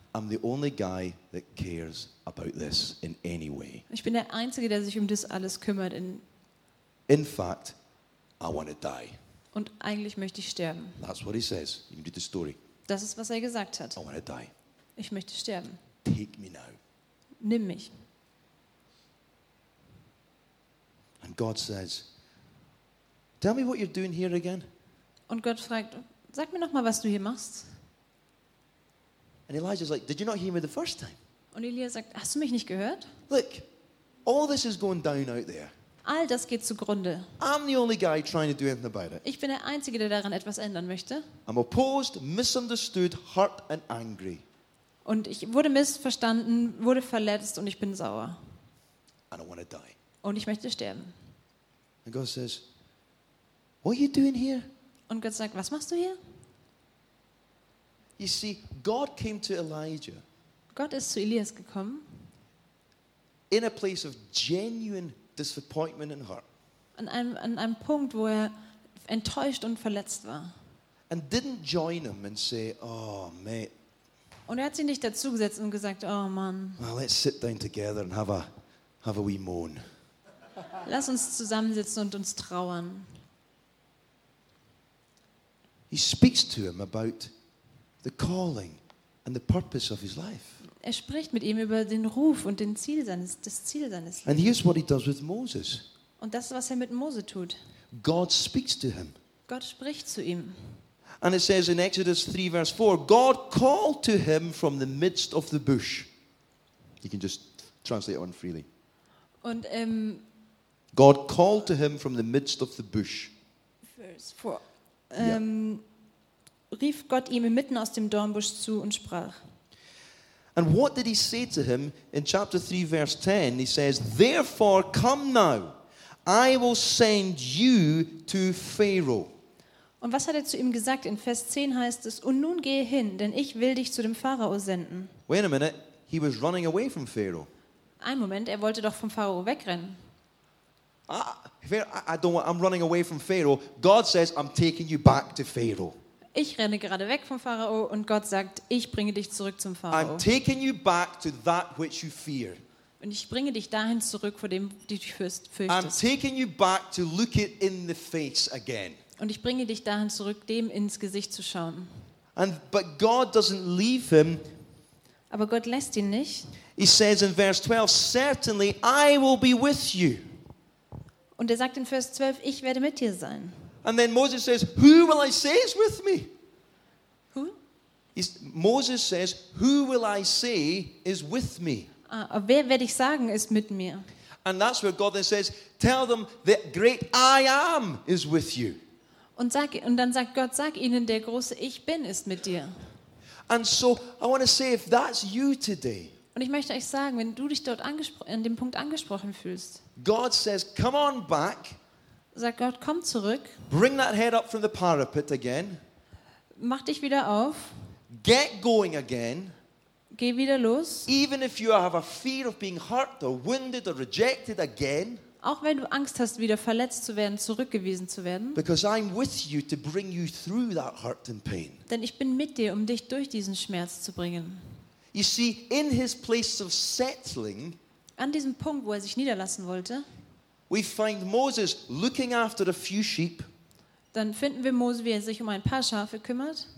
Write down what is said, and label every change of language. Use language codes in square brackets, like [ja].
[en] I'm the only guy that cares about this in any way. [de] Ich bin der Einzige, der sich um das alles kümmert. [en] In fact, I want to die. [de] Und eigentlich möchte ich sterben. [en] That's what he says. You can read the story. [de] Das ist, was er gesagt hat. [en] I want to die. [de] Ich möchte sterben. [en] Take me now. [de] Nimm mich. [en] And God says, tell me what you're doing here again. [de] Und Gott fragt, sag mir noch mal, was du hier machst. [en] And Elijah's like, did you not hear me the first time? [de] Und Elias sagt, hast du mich nicht gehört? [en] Look, all this is going down out there. [de] All das geht zugrunde. [en] I'm the only guy trying to do anything about it. [de] Ich bin der Einzige, der daran etwas ändern möchte. [en] I'm opposed, misunderstood, hurt and angry. [de] Und ich wurde missverstanden, wurde verletzt und ich bin sauer. [en] I don't want to die. [de] Und ich möchte sterben. [en] And God says, what are you doing here? [de] Und Gott sagt, was machst du hier? [en] You see, God came to Elijah. [de] Gott ist zu Elias gekommen. [en] In a place of genuine disappointment and hurt. [de] An einem Punkt, wo er enttäuscht und verletzt war. [en] And didn't join him and say, oh mate. [de] Und er hat sich nicht dazugesetzt und gesagt, oh Mann. [en] Well, let's sit down together and have a wee moan. [de] Lass uns zusammensitzen und uns trauern. [en] He speaks to him about the calling and the purpose of his life. [de] Er spricht mit ihm über den Ruf und das Ziel seines Lebens. [en] And here's what he does with Moses. [de] Und das ist, was er mit Mose tut. [en] God speaks to him. [de] Gott spricht zu ihm. [en] And it says in Exodus 3 verse 4, God called to him from the midst of the bush. You can just translate it on freely. [de] Und [en] God called to him from the midst of the bush. Verse 4. [de] Rief Gott ihm mitten aus dem Dornbusch zu und sprach. [en] And what did he say to him in chapter 3 verse 10? He says, therefore come now, I will send you to Pharaoh. [de] Und was hat er zu ihm gesagt? In Vers 10 heißt es, und nun gehe hin, denn ich will dich zu dem Pharao senden. [en] Wait a minute, he was running away from Pharaoh. [de] Ein Moment, er wollte doch vom Pharao wegrennen. [en] I'm running away from Pharaoh. God says, I'm taking you back to Pharaoh. [de] Ich renne gerade weg vom Pharao und Gott sagt, ich bringe dich zurück zum Pharao. [en] I'm taking you back to that which you fear. [de] Und ich bringe dich dahin zurück, vor dem du dich fürchtest. [en] I'm taking you back to look it in the face again. [de] Und ich bringe dich dahin zurück, dem ins Gesicht zu schauen. [en] But God doesn't leave him. [de] Aber Gott lässt ihn nicht. [en] He says in verse 12, certainly I will be with you. [de] Und er sagt in Vers 12, ich werde mit dir sein. [en] And then Moses says, who will I say is with me? Who? Moses says, who will I say is with me? [de] Wer werde ich sagen ist mit mir? [en] And that's where God then says, tell them the great I am is with you. [de] Und dann sagt Gott ihnen, der große Ich Bin ist mit dir. [en] And so I want to say, if that's you today. [de] Und ich möchte euch sagen, wenn du dich dort an dem Punkt angesprochen fühlst. [en] God says, come on back. [de] Sag Gott, komm zurück. [en] Bring that head up from the parapet again. [de] Mach dich wieder auf. [en] Get going again. [de] Geh wieder los. [en] Even if you have a fear of being hurt or wounded or rejected again. [de] Auch wenn du Angst hast, wieder verletzt zu werden, zurückgewiesen zu werden. [en] Because I'm with you to bring you through that hurt and pain. [de] Denn ich bin mit dir, um dich durch diesen Schmerz zu bringen. [en] You see, in his place of settling. [de] An diesem Punkt, wo er sich niederlassen wollte. [en] We find Moses looking after a few sheep. [de] Dann finden wir Mose, wie er sich um ein paar Schafe kümmert.